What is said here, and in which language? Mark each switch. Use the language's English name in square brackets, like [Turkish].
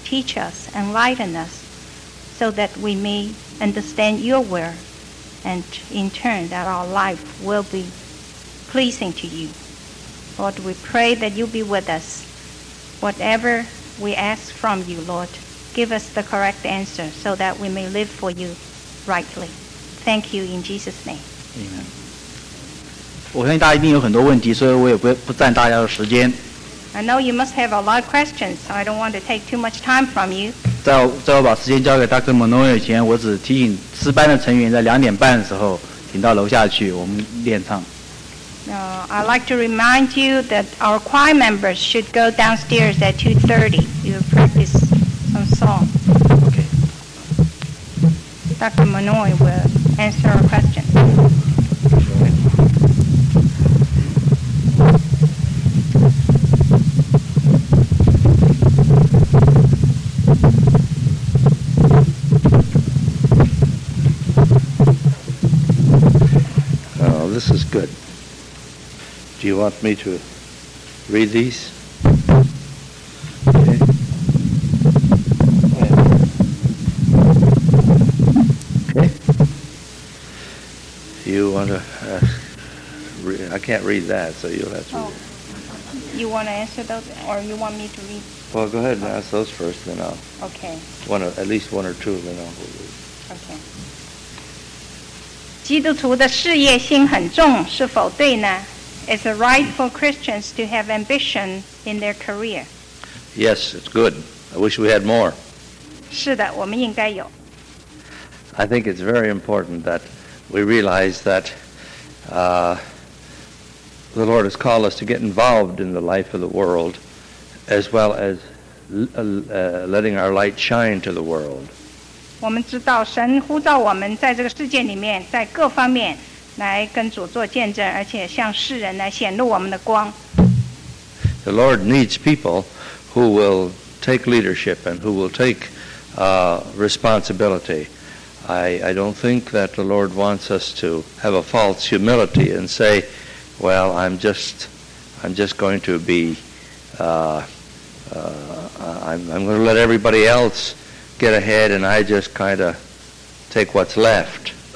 [English] Teach us, enlighten us, so that we may understand your will, and in turn that our life will be pleasing to you. Lord, we pray that you be with us. Whatever we ask from you, Lord, give us the correct answer so that we may live for you rightly. Thank you in Jesus' name. Amen. [Chinese] 我相信大家一定有很多问题，所以我也不占大家的时间。 [English] I know you must have a lot of questions, so I don't want to take too much time from you. [Chinese] 在我把时间交给 Dr. Monroe 前，我只提醒诗班的成员在两点半的时候，请到楼下去，我们练唱。 [English] I'd like to remind you that our choir members should go downstairs at 2:30. You practice some song. Okay. Dr. Monroe will answer our question. This is good. Do you want me to read these? Okay. You want to I can't read that, so you'll have to read. You want to answer those, or you want me to read? Well, go ahead and ask those first, then I'll. Okay. At least one or two, then I'll read. Okay. [Chinese] 基督徒的事业心很重，是否对呢？ [English] Is it right for Christians to have ambition in their career? Yes, it's good. I wish we had more. [Chinese] 是的，我们应该有。 [English] I think it's very important that we realize that the Lord has called us to get involved in the life of the world as well as letting our light shine to the world. [Chinese] 我们知道神呼召我们在这个世界里面在各方面来跟主做见证而且向世人来显露我们的光 [English] The Lord needs people who will take leadership and who will take responsibility. I don't think that the Lord wants us to have a false humility and say, well, I'm just going to be I'm going to let everybody elseget ahead and I just kind of take what's left.